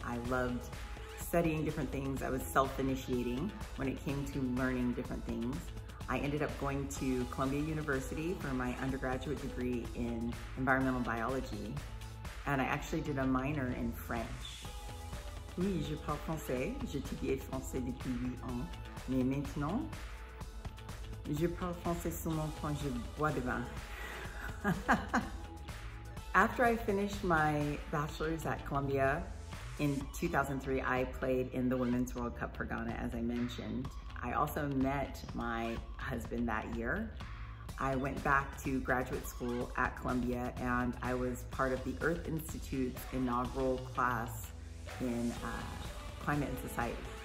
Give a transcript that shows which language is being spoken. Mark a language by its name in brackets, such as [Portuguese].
[English] I loved studying different things. I was self-initiating when it came to learning different things. I ended up going to Columbia University for my undergraduate degree in environmental biology. And I actually did a minor in French. [French] Oui, je parle français. J'étudie français depuis 8 ans. Mais maintenant, je parle français seulement quand je bois de vin. [English] After I finished my bachelor's at Columbia, in 2003, I played in the Women's World Cup for Ghana, as I mentioned. I also met my husband that year. I went back to graduate school at Columbia and I was part of the Earth Institute's inaugural class in climate and society.